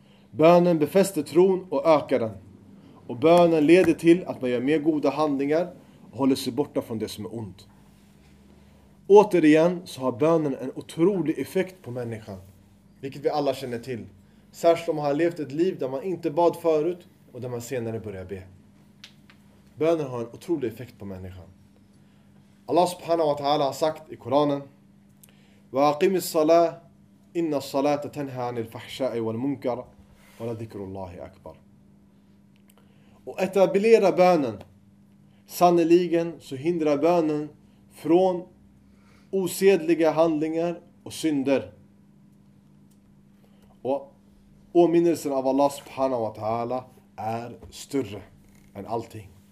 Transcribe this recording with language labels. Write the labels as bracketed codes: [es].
[sv] Bönen befäster tron och ökar den. Och bönen leder till att man gör mer goda handlingar och håller sig borta från det som är ont. Återigen så har bönen en otrolig effekt på människan, vilket vi alla känner till. Särskilt om man har levt ett liv där man inte bad förut och där man senare börjar be. Bönen har en otrolig effekt på människan. [ar] Allah subhanahu wa ta'ala [sv] har sagt i Koranen: [ar] وَاقِمِ الصَّلَاةِ إِنَّ الصَّلَاةَ تَنْهَى عَنِ الْفَحْشَاءِ وَالْمُنْكَرِ وَلَذِكْرُ اللَّهِ أَكْبَرُ. [sv] Och etablera bönen. Sannoliken så hindrar bönen från osedliga handlingar och synder. Och åminnelsen av Allah subhanahu wa ta'ala är större än allting.